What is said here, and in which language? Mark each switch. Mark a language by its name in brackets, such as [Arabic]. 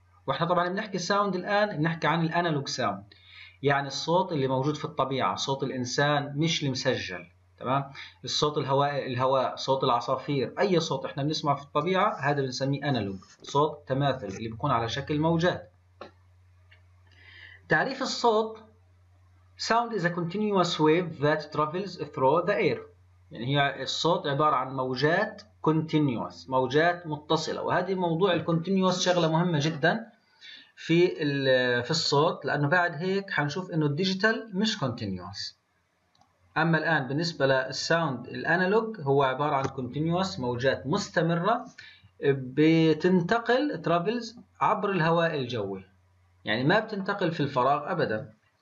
[Arabic] وإحنا طبعا بنحكي sound الآن بنحكي عن الأنالوج sound، يعني الصوت اللي موجود في الطبيعة، صوت الإنسان مش المسجل، تمام؟ الصوت الهواء، صوت العصافير، أي صوت إحنا بنسمعه في الطبيعة هذا بنسميه أنالوج، صوت تماثل اللي بيكون على شكل موجات. تعريف الصوت: [English] sound is a continuous wave that travels through the air. [Arabic] يعني هي الصوت عبارة عن موجات continuous، موجات متصلة. وهذه موضوع الcontinuous شغلة مهمة جدا في الصوت، لأنه بعد هيك حنشوف إنه الديجيتال مش continuous. أما الآن بالنسبة للساوند الأنالوج هو عبارة عن continuous، موجات مستمرة بتنتقل travels عبر الهواء الجوي، يعني ما بتنتقل في الفراغ أبدا.